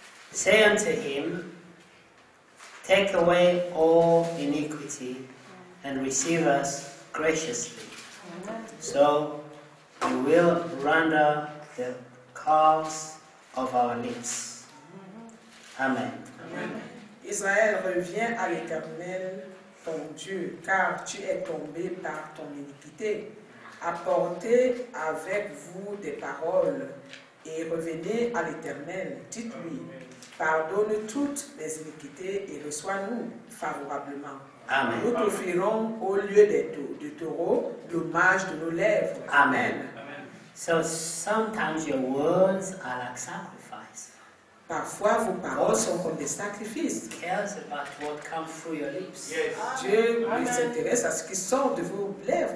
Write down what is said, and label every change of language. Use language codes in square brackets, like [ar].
[en] Say unto him, take away all iniquity, and receive us graciously. So, we will render the calves of our lips. Amen. Amen. [fr] Israël, reviens à l'Éternel, ton Dieu, car tu es tombé par ton iniquité. Apportez avec vous des paroles et revenez à l'Éternel. Dites-lui, pardonne toutes les iniquités et reçois-nous favorablement. Amen. Nous t'offrirons au lieu du taureau l'hommage de nos lèvres. [en] Amen. So sometimes your words are like sacrifice. [fr] Parfois vos paroles sont comme des sacrifices. [en] God cares about what comes through your lips. Yes. [fr] Dieu s'intéresse à ce qui sort de vos lèvres.